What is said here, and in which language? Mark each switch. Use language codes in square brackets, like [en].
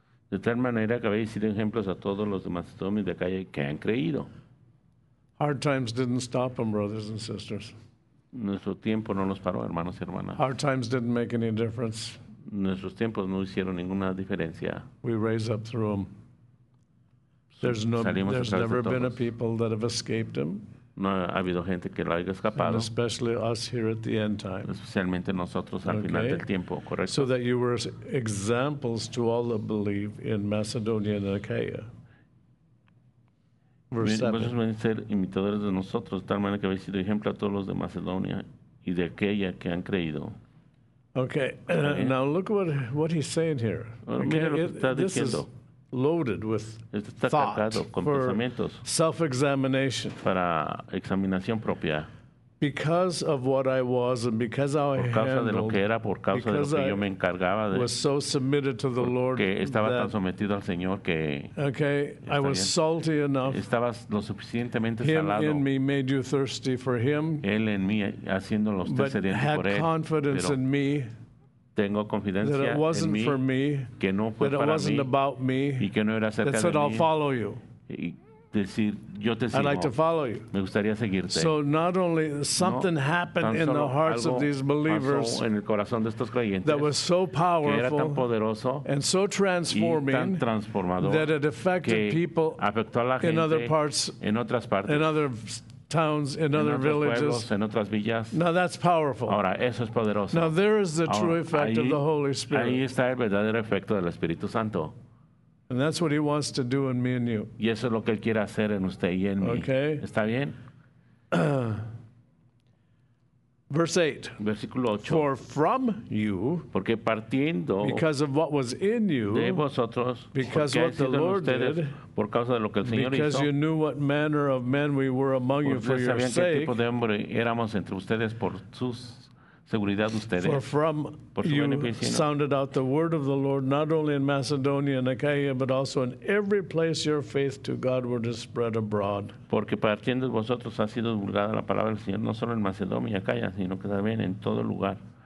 [es] De tal manera que habéis sido ejemplos a todos los de Macedonia y de Acaya que han creído. [en] Hard times didn't stop them, brothers and sisters. [es] Nuestro tiempo no los paró, hermanos y hermanas. [en] Hard times didn't make any difference. [es] Nuestros tiempos no hicieron ninguna diferencia. [en] We raise up through them. There's no, [es] salimos [en] there's never been a people that have escaped them. [es] No ha habido gente que lo haya escapado. [en] And especially us here at the end time. [es] Especialmente nosotros al okay. final del tiempo, correcto. [en] So that you were examples to all that believe in Macedonia and Achaia. [es] Vosotros venís a ser imitadores de nosotros, de tal manera que habéis sido ejemplo a todos los de Macedonia y de aquella que han creído. [en] Okay, now look at what he's saying here. [es] Mira lo que está diciendo. Esto está cargado con pensamientos. [en] Self-examination. [es] Para examinación propia. [en] Because of what I was and because how I handled. [es] Por causa de lo que era, por causa de lo que yo me encargaba de. [en] Was so submitted to the Lord. [es] Que estaba tan sometido al Señor que. [en] Okay, I was salty enough. [es] Estabas lo suficientemente salado. [en] Him in me made you thirsty for Him. [es] Él en mí haciendo los sedientos por él. [en] But had confidence in me. [es] Tengo confidencia [en] that it wasn't [es] en mí, [en] for me, [es] que no fue [en] that it [es] para [en] wasn't [es] mí, [en] about me, [es] y que no era acerca de [en] said, [es] mí, [en] I'll follow you. [es] Y decir, yo te sigo. [en] I'd like to follow you. [es] Me gustaría seguirte. [en] So not only something [es] no, [en] happened in the hearts of these believers [es] en el corazón de estos creyentes, [en] that was so powerful [es] que era tan poderoso, [en] and so transforming [es] y tan transformador, [en] that it affected people [es] afectó a la gente [en] in other parts, [es] en otras partes, [en] in other towns, in other villages. [es] Pueblos, en otras villas. [en] Now that's powerful. [es] Ahora, eso es poderoso. [en] Now there is the true effect of the Holy Spirit. [es] Ahí está el verdadero efecto del Espíritu Santo. [en] And that's what He wants to do in me and you. [es] Y eso es lo que Él quiere hacer en usted y en mí. [en] Okay. [es] ¿Está bien? [en] Verse 8. [es] Versículo 8. [en] For from you, [es] porque partiendo [en] because of what was in you, [es] de vosotros, [en] because what the Lord did, [es] por causa de lo que el Señor [en] because [es] hizo, [en] you knew what manner of men we were among you for your sake, [es] qué tipo de hombre éramos entre ustedes por sus seguridad ustedes, [en] for from [es] por [en] you sounded out the word of the Lord, not only in Macedonia and Achaia, but also in every place your faith to God were to spread abroad. [es] Porque partiendo de vosotros ha sido divulgada la palabra del Señor, no solo en Macedonia y Achaia, sino que también en todo lugar.